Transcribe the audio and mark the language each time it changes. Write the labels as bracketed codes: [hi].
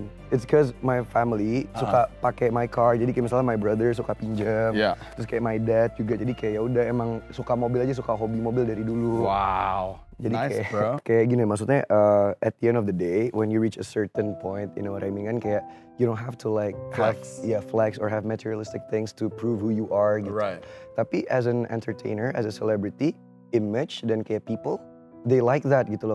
[en] It's because my family [id] suka pakai [en] my car. [id] Jadi kayak misalnya [en] my brother [id] suka pinjam. [en] Yeah. [id] Terus kayak [en] my dad [id] juga. Jadi kayak ya udah emang suka mobil aja, suka hobi mobil dari dulu. [en] Wow. [id] Jadi [en] nice, bro. [id] Kayak gini maksudnya [en] at the end of the day when you reach a certain point, you know what I mean? [id] Kan kayak [en] you don't have to like flex. Flex or have materialistic things to prove who you are [id] gitu. [en] Right. [id] Tapi [en] as an entertainer, as a celebrity, image [id] dan kayak [en] people, they like that [id] gitu loh.